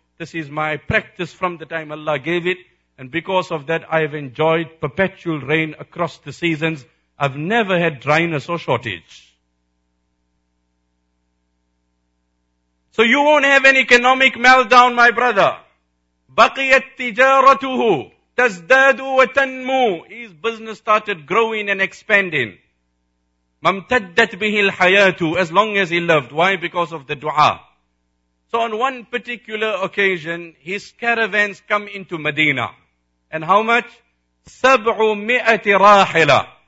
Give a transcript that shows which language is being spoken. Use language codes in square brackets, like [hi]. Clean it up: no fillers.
[en] This is my practice from the time Allah gave it. And because of that, I have enjoyed perpetual rain across the seasons. I've never had dryness or shortage. So you won't have an economic meltdown, my brother. [ar] بَقِيَتْ تِجَارَتُهُ تَزْدَادُ وَتَنْمُوا. [en] His business started growing and expanding. [ar] مَمْتَدَّتْ بِهِ الْحَيَاتُ. [en] As long as he lived. Why? Because of the dua. So on one particular occasion, his caravans come into Medina. And how much? 700 rahila.